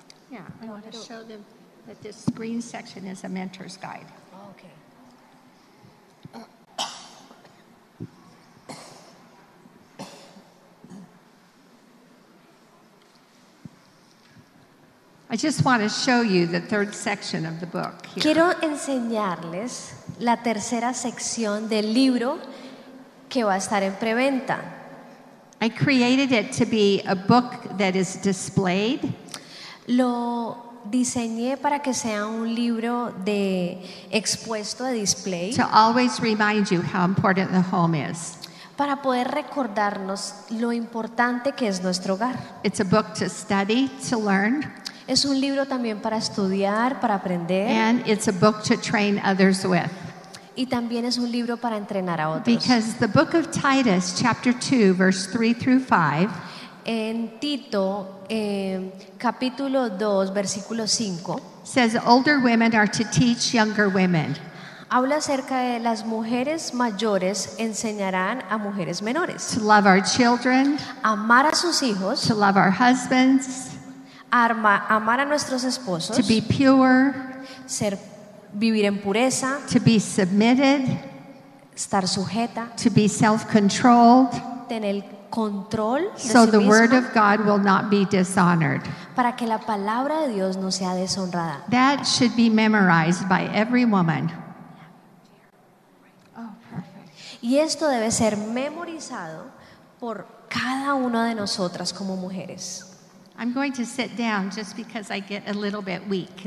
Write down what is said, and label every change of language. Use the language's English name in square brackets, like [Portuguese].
[English] Yeah, I want to show them that this green section is a mentor's guide. Okay. I just want to show you the third section of the book here. [Spanish] Quiero enseñarles la tercera sección del libro que va a estar en preventa. [English] I created it to be a book that is displayed. [Spanish] Lo diseñé para que sea un libro de expuesto de display. [English] To always remind you how important the home is. [Spanish] Para poder recordarnos lo importante que es nuestro hogar. [English] It's a book to study, to learn. [Spanish] Es un libro también para estudiar, para aprender. [English] And it's a book to train others with. [Spanish] Y también es un libro para entrenar a otros. [English] Because the book of Titus, chapter 2, verse 3 through 5. [Spanish] En Tito, capítulo 2, versículo 5, [English] says older women are to teach younger women. [Spanish] Habla acerca de las mujeres mayores enseñarán a mujeres menores. [English] To love our children. [Spanish] Amar a sus hijos. [English] To love our husbands. [Spanish] Amar a nuestros esposos. [English] To be pure. [Spanish] Vivir en pureza. [English] To be submitted. [Spanish] Estar sujeta. [English] To be self-controlled. [Spanish] Tener control de sí misma, [English] the word of God will not be dishonored. [Spanish] Para que la palabra de Dios no sea deshonrada. [English] That should be memorized by every woman. [Spanish] Y esto debe ser memorizado por cada una de nosotras como mujeres. [English] I'm going to sit down just because I get a little bit weak.